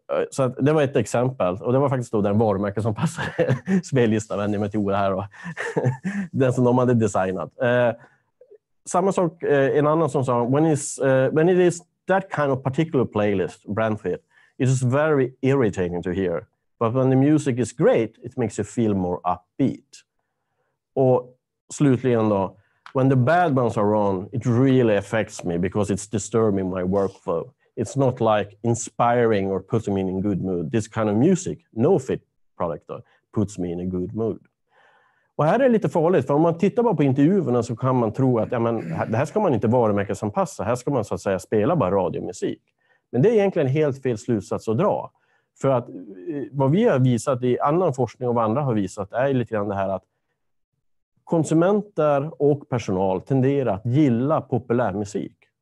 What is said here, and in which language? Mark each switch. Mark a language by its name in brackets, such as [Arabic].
[Swedish] Så att det var ett exempel. Och det var faktiskt då den varumärken som passade spellistan, vänder mig till Ola här då. Den som de hade designat. Samma sak, en annan som sa, [English] when it is that kind of particular playlist, Brandfit, it is very irritating to hear. But when the music is great, it makes you feel more upbeat. [Swedish] Och slutligen då, [English] when the bad ones are on, it really affects me because it's disturbing my workflow. It's not like inspiring or putting me in good mood. This kind of music, no fit product, puts me in a good mood. [Swedish] Och här är det lite farligt, för om man tittar bara på intervjuerna så kan man tro att ja, men det här ska man inte varumärkesanpassa. Här ska man så att säga spela bara radiomusik. Men det är egentligen helt fel slutsats att dra. För att vad vi har visat i annan forskning och vad andra har visat är lite grann det här att konsumenter och personal tenderar att gilla populär musik.